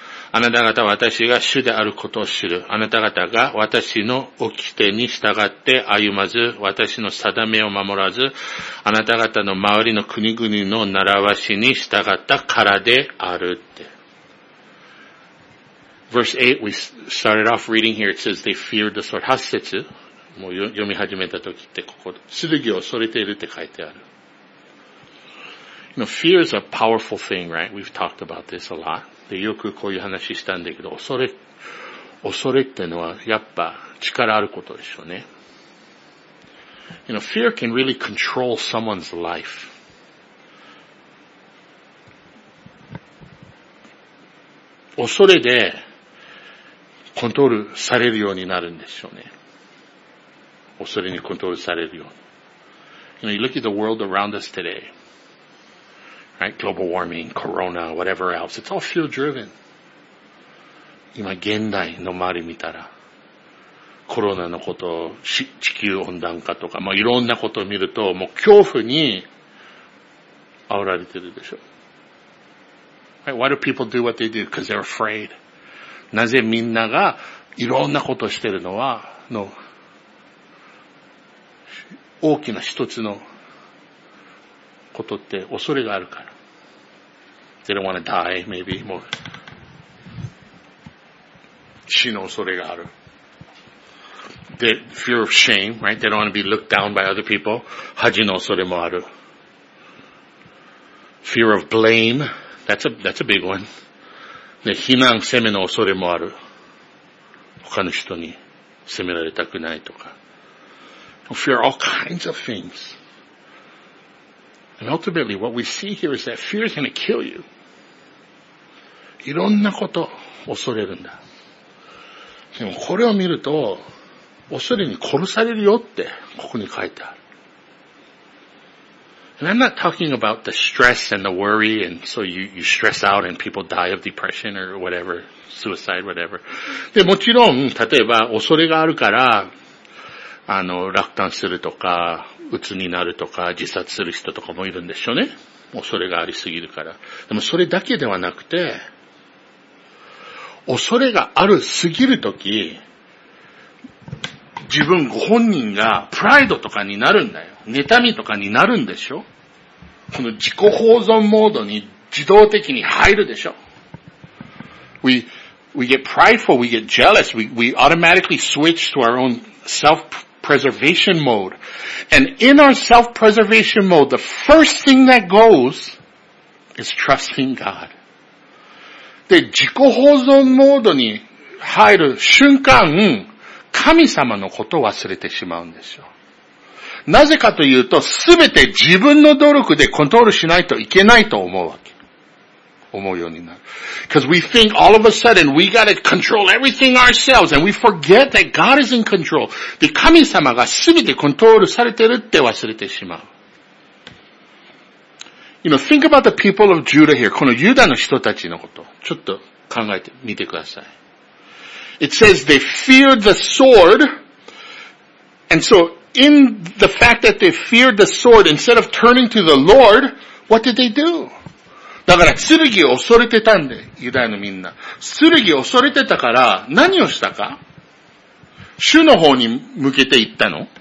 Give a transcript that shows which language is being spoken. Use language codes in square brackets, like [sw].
[ja] あなた方は私が主であることを知る。あなた方が私の掟に従って歩まず、私の定めを守らず、あなた方の周りの国々の習わしに従ったからであるって。 [en] Verse 8, we started off reading here, it says they feared the sword. [ja] 8節、もう読み始めた時ってここ、剣を恐れているって書いてある。 [en] You know, fear is a powerful thing, right? We've talked about this a lot. [ja] で、よくこういう話したんだけど、恐れってのはやっぱ力あることでしょうね。 [en] You know, fear can really control someone's life. [ja] コントロールされるようになるんですよね。恐れにコントロールされるように。 [en] You know, you look at the world around us today. Right? Global warming, corona, whatever else. It's all fear-driven. [ja] 今、現代の周り見たら、コロナのこと、地球温暖化とか、まあ、いろんなことを見ると、もう恐怖に煽られてるでしょ。 [en] Right? Why do people do what they do? Because they're afraid. [ja] なぜみんながいろんなことをしているのは、の、大きな一つのことって恐れがあるから。 [en] They don't want to die, maybe, [ja] もう死の恐れがある。 [en] The fear of shame, right? They don't want to be looked down by other people. [ja] 恥の恐れもある。 [en] Fear of blame, that's a big one. [ja] で、非難、責めの恐れもある。他の人に責められたくないとか。 [en] Fear all kinds of things. And ultimately, what we see here is that fear is going to kill you. [ja] いろんなこと恐れるんだ。でもこれを見ると、恐れに殺されるよって、ここに書いてある。 [en] And I'm not talking about the stress and the worry and so you stress out and people die of depression or whatever, suicide, whatever. [ja] で、もちろん、例えば、恐れがあるから、落胆するとか、鬱になるとか、自殺する人とかもいるんでしょうね。恐れがありすぎるから。でも、それだけではなくて、恐れがあるすぎるとき、自分ご本人がプライドとかになるんだよ。妬みとかになるんでしょ?この自己保存モードに自動的に入るでしょ? [en] We get prideful, we get jealous, we automatically switch to our own self-preservation mode. And in our self-preservation mode, the first thing that goes is trusting God. [ja] で、自己保存モードに入る瞬間、神様のことを忘れてしまうんですよ。なぜかというと、すべて自分の努力でコントロールしないといけないと思うわけ。思うようになる。 [en] Because we think all of a sudden we gotta control everything ourselves and we forget that God is in control. [ja] で、神様がすべてコントロールされてるって忘れてしまう。 [en] You know, think about the people of Judah here. [ja] このユダの人たちのこと。ちょっと考えてみてください。 [en] It says they feared the sword. And so, in the fact that they feared the sword, instead of turning to the Lord, what did they do? [ja] だから、剣を恐れてたんで、ユダヤのみんな。剣を恐れてたから、何をしたか? 主の方に向けて行ったの?